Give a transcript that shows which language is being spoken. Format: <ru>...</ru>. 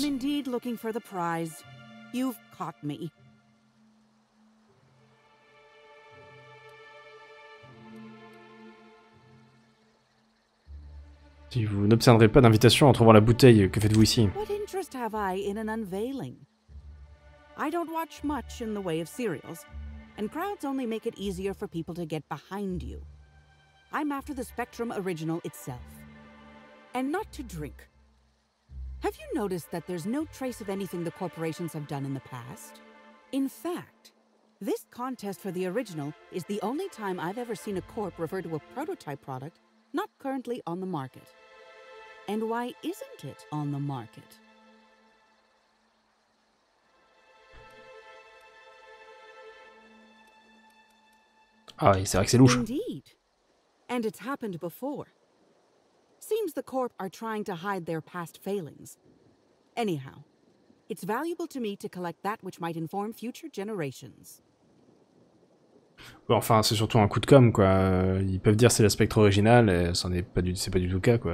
<en>I am indeed looking for the prize. You've caught me.</en> <fr>Si vous n'obtiendrez pas d'invitation en trouvant la bouteille, que faites-vous ici?</fr> <en>What interest have I in an unveiling? I don't watch much in the way of serials, and crowds only make it easier for people to get behind you. I'm after the Spectrum original itself. And not to drink. Have you noticed that there's no trace of anything the corporations have done in the past? In fact, this contest for the original is the only time I've ever seen a corp refer to a prototype product not currently on the market. And why isn't it on the market?</en> <fr>Ah, c'est vrai que c'est louche.</fr> <en>Indeed. And it's happened before. Seems the corp are trying to hide their past failings. Anyhow, it's valuable to me to collect that which might inform future generations.</en> <fr>Bon, enfin, c'est surtout un coup de com, quoi. Ils peuvent dire c'est la Spectre originale, et ça n'est pas du, c'est pas du tout le cas, quoi.</fr>